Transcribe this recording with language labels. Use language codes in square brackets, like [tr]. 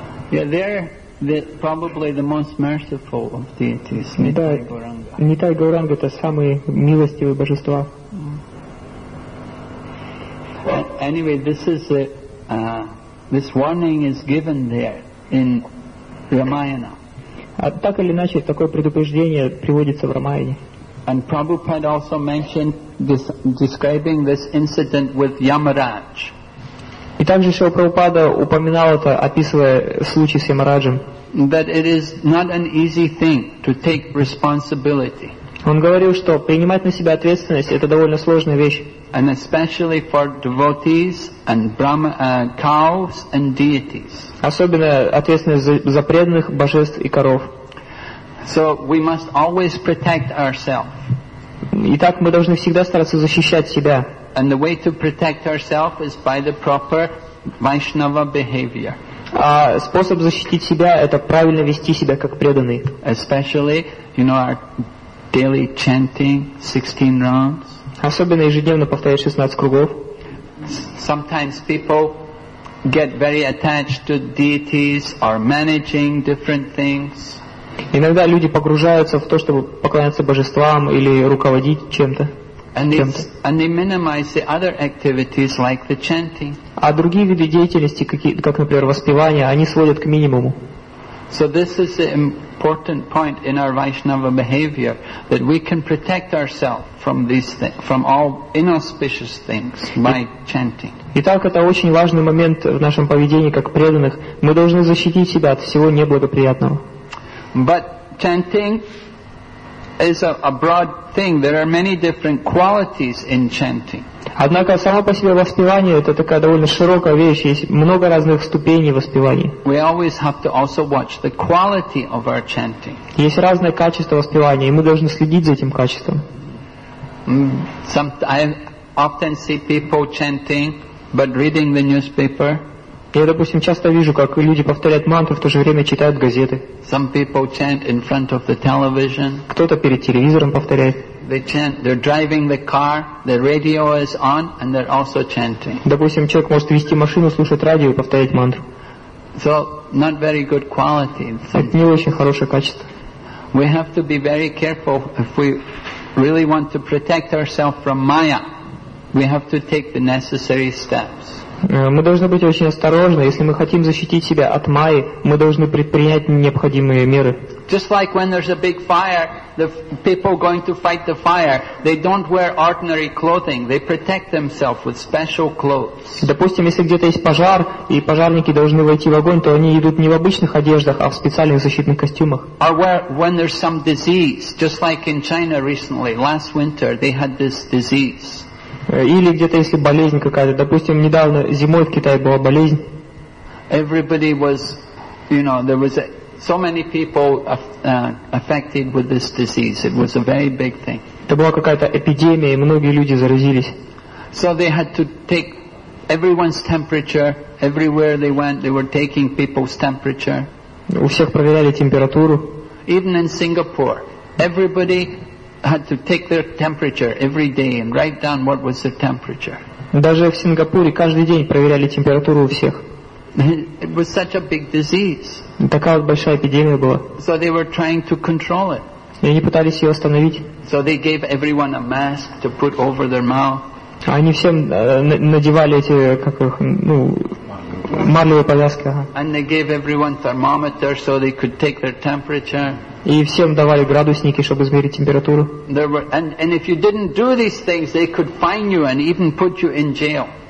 [en] Yeah, they're probably the most merciful of deities. Nitai Gauranga. [ru] Nitai Gauranga – это самые милостивые божества. [en] Anyway, this is a, this warning is given there in Ramayana. [ru] А так или иначе, такое предупреждение приводится в Рамаяне. [en] And Prabhupada also mentioned this, describing this incident with Yamaraj. [ru] И также Шрила Прабхупада упоминал это, описывая случай с Ямараджем. [en] That it is not an easy thing to take responsibility. [ru] Он говорил, что принимать на себя ответственность — это довольно сложная вещь. [en] And especially for devotees and Brahma, cows and deities. [ru] Особенно ответственность за преданных божеств и коров. [en] So we must always protect ourselves. [ru] Итак, мы должны всегда стараться защищать себя. [en] And the way to protect ourselves is by the proper Vaishnava behavior. [ru] А способ защитить себя – это правильно вести себя как преданный. [en] Especially, you know, our daily chanting 16 rounds. [ru] Особенно ежедневно повторять 16 кругов. [en] Sometimes people get very attached to deities or managing different things. [ru] Иногда люди погружаются в то, чтобы поклоняться божествам или руководить чем-то. [en] And they minimize the other activities like the chanting. [ru] А другие виды деятельности, как, например, воспевание, они сводят к минимуму. [en] So this is the important point in our Vaishnava behavior that we can protect ourselves from these things, from all inauspicious things by chanting. [ru] Итак, это очень важный момент в нашем поведении как преданных. Мы должны защитить себя от всего неблагоприятного. [en] But chanting is a broad thing. There are many different qualities in chanting. [ru] Однако само по себе воспевание это такая довольно широкая вещь, есть много разных ступеней воспевания. [en] We always have to also watch the quality of our chanting. [ru] Есть разное качество воспевания, и мы должны следить за этим качеством. [en] I often see people chanting, but reading the newspaper. [ru] Я, допустим, часто вижу, как люди повторяют мантру, в то же время читают газеты. [en] Some people chant in front of the television. [ru] Кто-то перед телевизором повторяет. [en] They chant. They're driving the car. The radio is on, and they're also chanting. [ru] Допустим, человек может вести машину, слушать радио и повторять мантру. [en] So not very good quality. [ru] Это не очень хорошее качество. [en] We have to be very careful if we really want to protect ourselves from Maya. We have to take the necessary steps. [ru] Мы должны быть очень осторожны. Если мы хотим защитить себя от Майи, мы должны предпринять необходимые меры. [en] Just like when there's a big fire, the people going to fight the fire, they don't wear ordinary clothing. They protect themselves with special clothes. [ru] Допустим, если где-то есть пожар, и пожарники должны войти в огонь, то они идут не в обычных одеждах, а в специальных защитных костюмах. [en] Or when there's some disease, just like in China recently, last winter, they had this disease. [ru] Или где-то если болезнь какая-то, допустим, недавно зимой в Китае была болезнь. [en] Everybody was, you know, there was so many people affected with this disease. It was a very big thing. [ru] Это была какая-то эпидемия, и многие люди заразились. [en] So they had to take everyone's temperature everywhere they went. They were taking people's temperature. [ru] У всех проверяли температуру. [en] Even in Singapore, everybody had to take their temperature every day and write down what was their temperature. [ru] Даже в Сингапуре каждый день проверяли температуру у всех. [en] It was such a big disease. [ru] Такая большая эпидемия была. [en] So they were trying to control it. [ru] И они пытались ее остановить. [en] So they gave everyone a mask to put over their mouth. [ru] Они всем надевали эти как их марлевые повязки. [en] And they gave everyone thermometers so they could take their temperature. [ru] И всем давали градусники, чтобы измерить температуру. [en] And if you didn't do these things, they could fine you and even put you in jail.